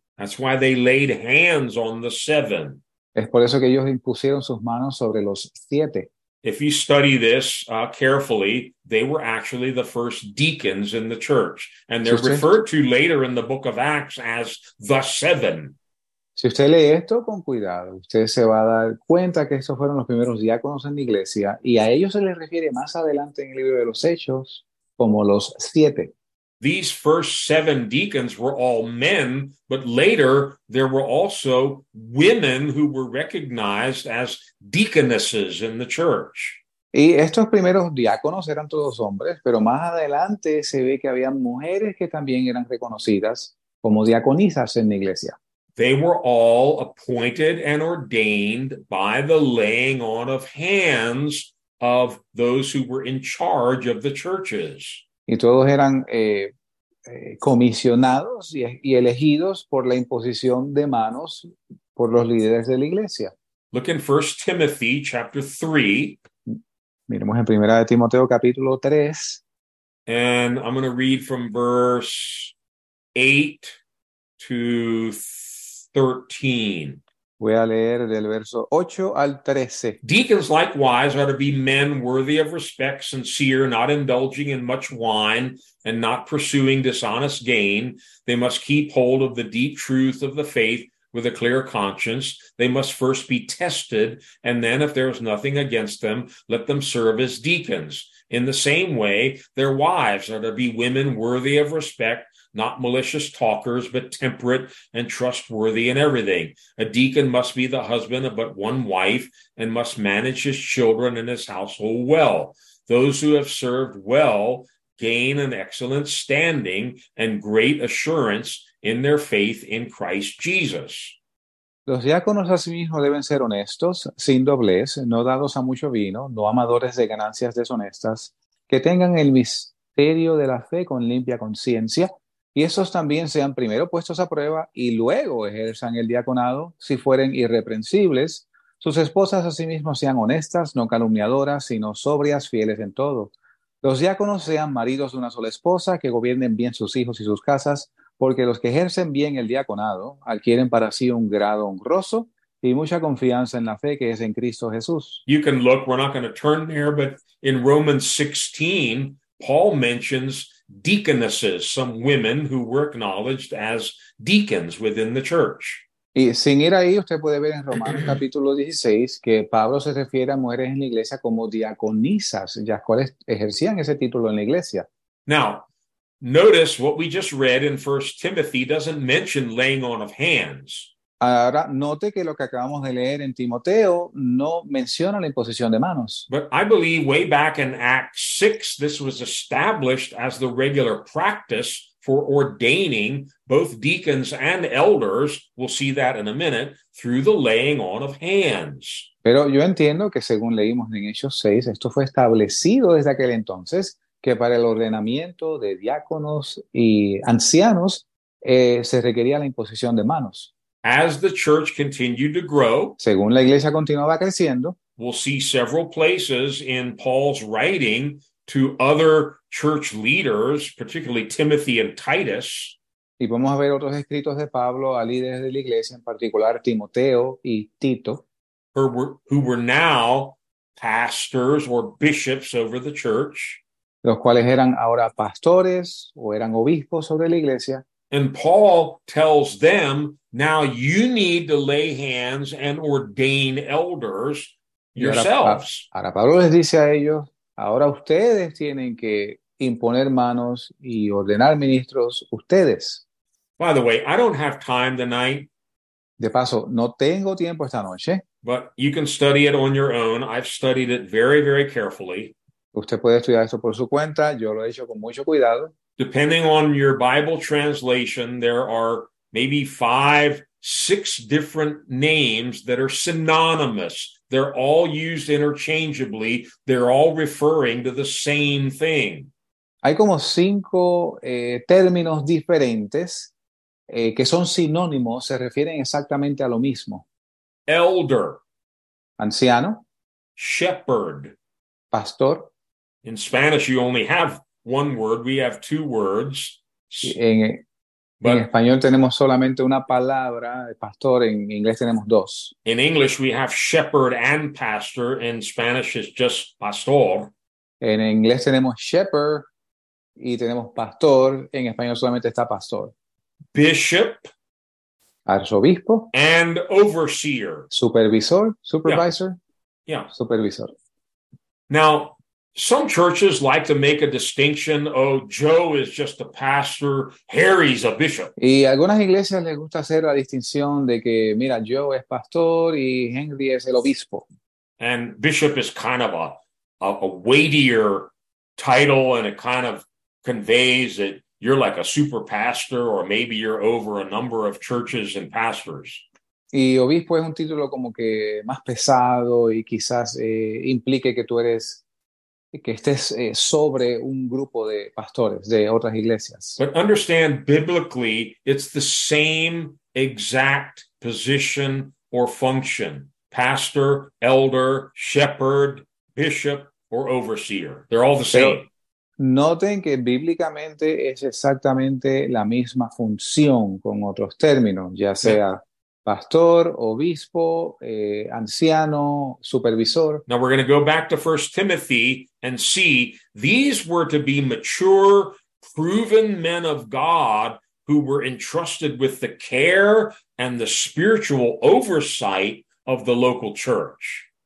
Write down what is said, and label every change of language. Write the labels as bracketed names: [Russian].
[English] That's why they laid hands on the seven. [Spanish] Es por eso que ellos impusieron sus manos sobre los siete. [English] If you study this carefully, they were actually the first deacons in the church, and [Spanish] Si [English] they're [Spanish] usted [English] referred to later in the book of Acts as the seven. [Spanish] lee esto con cuidado, usted se va a dar cuenta que estos fueron los primeros diáconos en la iglesia y a ellos se les refiere más adelante en el libro de los Hechos como los siete. [English] These first seven deacons were all men, but later there were also women who were recognized as deaconesses in the church. [Spanish] Y estos primeros diáconos eran todos hombres, pero más adelante se ve que había mujeres que también eran reconocidas como diaconisas en la iglesia. [English] They were all appointed and ordained by the laying on of hands of those who were in charge of the churches. [Spanish] Y todos eran comisionados y elegidos por la imposición de manos por los líderes de la iglesia. [English] Look in 1 Timothy chapter 3. [Spanish] Miremos en Primera de Timoteo capítulo 3. [English] And I'm going to read from verse 8 to 13. [Spanish] Voy a leer del verso 8 al 13. [English] Deacons likewise are to be men worthy of respect, sincere, not indulging in much wine, and not pursuing dishonest gain. They must keep hold of the deep truth of the faith with a clear conscience. They must first be tested, and then, if there is nothing against them, let them serve as deacons. In the same way, their wives are to be women worthy of respect, not malicious talkers, but temperate and trustworthy in everything. A deacon must be the husband of but one wife and must manage his children and his household well. Those who have served well gain an excellent standing and great assurance in their faith in Christ Jesus. [Spanish] Los diáconos asimismo deben ser honestos, sin doblez, no dados a mucho vino, no amadores de ganancias deshonestas, que tengan el misterio de la fe con limpia conciencia, y esos también sean primero puestos a prueba y luego ejerzan el diaconado, si fueren irreprensibles. Sus esposas asimismo sean honestas, no calumniadoras, sino sobrias, fieles en todo. Los diáconos sean maridos de una sola esposa, que gobiernen bien sus hijos y sus casas, porque los que ejercen bien el diaconado adquieren para sí un grado honroso y mucha confianza en la fe que es en Cristo Jesús. [English] You can look, we're not going to turn there, but in Romans 16, Paul mentions deaconesses, some women who were acknowledged as deacons within the church. [Spanish] Y sin ir ahí, usted puede ver en Romanos capítulo 16 que Pablo se refiere a mujeres en la iglesia como diaconisas, las cuales ejercían ese título en la iglesia. [English] Now, notice what we just read in 1 Timothy doesn't mention laying on of hands. [Spanish] Ahora, note que lo que acabamos de leer en Timoteo no menciona la imposición de manos. [English] But I believe way back in Acts 6, this was established as the regular practice for ordaining both deacons and elders. We'll see that in a minute, through the laying on of hands. [Spanish] Pero yo entiendo que según leímos en Hechos 6, esto fue establecido desde aquel entonces, que para el ordenamiento de diáconos y ancianos se requería la imposición de manos. [English] As the church continued to grow, [Spanish] Según la iglesia continuaba creciendo, [English] we'll see several places in Paul's writing to other church leaders, particularly Timothy and Titus. [Spanish] Y vamos a ver otros escritos de Pablo a líderes de la iglesia, en particular Timoteo y Tito. [English] who were now pastors or bishops over the church. [Spanish] Los cuales eran ahora pastores o eran obispos sobre la iglesia. [English] And Paul tells them, now you need to lay hands and ordain elders [Spanish] Y [English] yourselves. [Spanish] ahora Pablo les dice a ellos, ahora ustedes tienen que imponer manos y ordenar ministros ustedes. [English] By the way, I don't have time tonight, [Spanish] De paso, no tengo tiempo esta noche. [English] but you can study it on your own. I've studied it very, very carefully. [Spanish] Usted puede estudiar esto por su cuenta, yo lo he hecho con mucho cuidado. [English] Depending on your Bible translation, there are maybe five, six different names that are synonymous. They're all used interchangeably. They're all referring to the same thing. [Spanish] Hay como cinco términos diferentes que son sinónimos, se refieren exactamente a lo mismo. [English] Elder, [Spanish] Anciano, [English] shepherd. [Spanish] pastor. [English] In Spanish, you only have one word, we have two words, [Spanish] En [English] but [Spanish] español tenemos solamente una palabra de pastor, en inglés tenemos dos. [English] in English we have shepherd and pastor, in Spanish it's just pastor. [Spanish] En inglés tenemos shepherd y tenemos pastor, en español solamente está pastor. [English] Bishop [Spanish] Arzobispo, [English] and overseer. [Spanish] supervisor, [English] Yeah, supervisor, yeah. [Spanish] supervisor. [English] Now, some churches like to make a distinction. Oh, Joe is just a pastor. Harry's a bishop. [Spanish] Y a algunas iglesias les gusta hacer la distinción de que, mira, Joe es pastor y Henry es el obispo. [English] And bishop is kind of a weightier title, and it kind of conveys that you're like a super pastor, or maybe you're over a number of churches and pastors. [Spanish] Y obispo es un título como que más pesado y quizás implique que tú eres, que estés sobre un grupo de pastores de otras iglesias. [English] But understand biblically, it's the same exact position or function. Pastor, elder, shepherd, bishop, or overseer. They're all the [Spanish] Pero [English] same. [Spanish] noten que bíblicamente es exactamente la misma función con otros términos, ya sea pastor, obispo, anciano, supervisor. [English] Now we're going to go back to 1 Timothy and see these were to be mature, proven men of God who were entrusted with the care and the spiritual oversight of the local church.